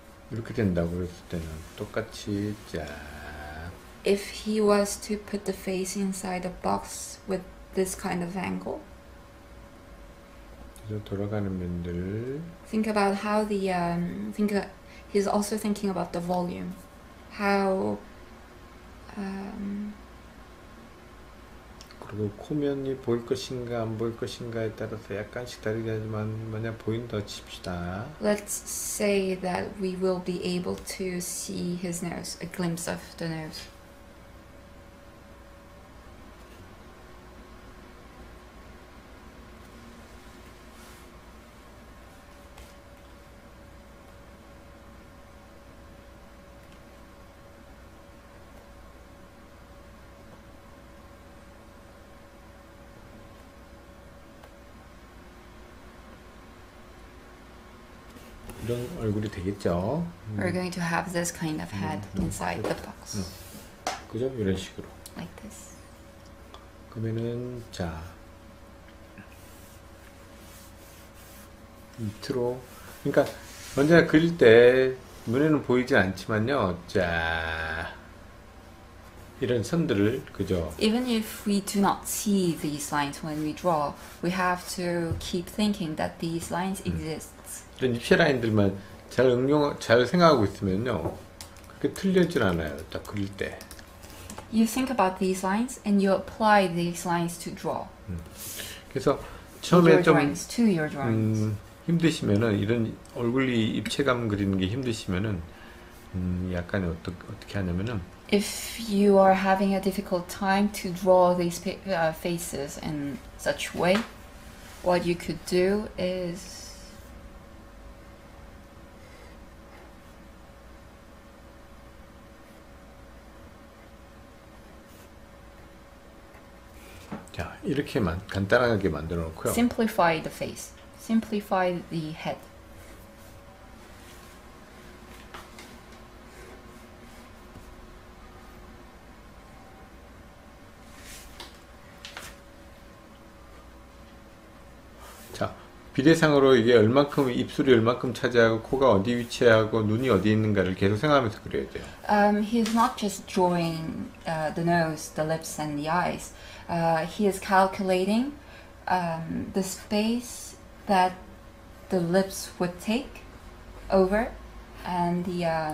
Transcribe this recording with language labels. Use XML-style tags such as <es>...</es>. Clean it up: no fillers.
<ko>이렇게 된다고 했을 때는 똑같이 자.</ko> <en>If he was to put the face inside a box with this kind of angle.</en> <ko>이제 돌아가는 면들.</ko> <en>Think about how the think he's also thinking about the volume. How</en> <ko>그리고 코면이 보일 것인가 안 보일 것인가에 따라서 약간씩 다르긴 하지만 만약 보인다 칩시다.</ko> <en>Let's say that we will be able to see his nose, a glimpse of the nose.</en> <ko>이런 얼굴이 되겠죠.</ko> <en>We're going to have this kind of head inside the box.</en> <ko>그죠? 이런 식으로.</ko> <en>Like this.</en> <ko>그러면은 자 밑으로. 그러니까 먼저 그릴 때 눈에는 보이지 않지만요. 자 이런 선들을 그죠.</ko> <en>Even if we do not see these lines when we draw, we have to keep thinking that these lines exist.</en> <ko>이런 입체 라인들만 잘 응용, 잘 생각하고 있으면요, 그렇게 틀려질 않아요. 딱 그릴 때.</ko> <en>You think about these lines and you apply these lines to draw.</en> <ko>그래서 처음에</ko> <en>to your drawings,</en> <ko>힘드시면은 이런 얼굴이 입체감 그리는 게 힘드시면은 약간 어떻게 하냐면은.</ko> <en>If you are having a difficult time to draw these faces in such way, what you could do is.</en> <ko>자, 이렇게만 간단하게 만들어 놓고요.</ko> <en>Simplify the face. Simplify the head.</en> <ko>자, 비대상으로 이게 얼만큼 입술이 얼만큼 차지하고 코가 어디 위치하고 눈이 어디 있는가를 계속 생각하면서 그려야 돼요.</ko> <en>He's not just drawing the nose, the lips and the eyes. He is calculating the space that the lips would take over and the</en>